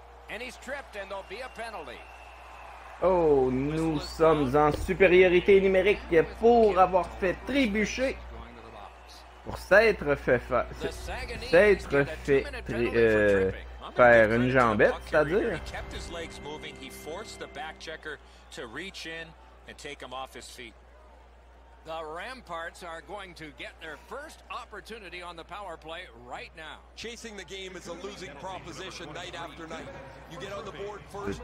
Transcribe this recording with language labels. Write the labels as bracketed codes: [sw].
[en] And he's tripped and there'll be a penalty. [fr] Oh, nous sommes en supériorité numérique pour avoir fait trébucher. Pour s'être fait faire une jambette, c'est-à-dire. [en] He kept his legs moving. He forced the back checker to reach in and take him off his feet. The Ramparts are going to get their first opportunity on the power play right now. Chasing the game is a losing proposition night after night. You get on the board first,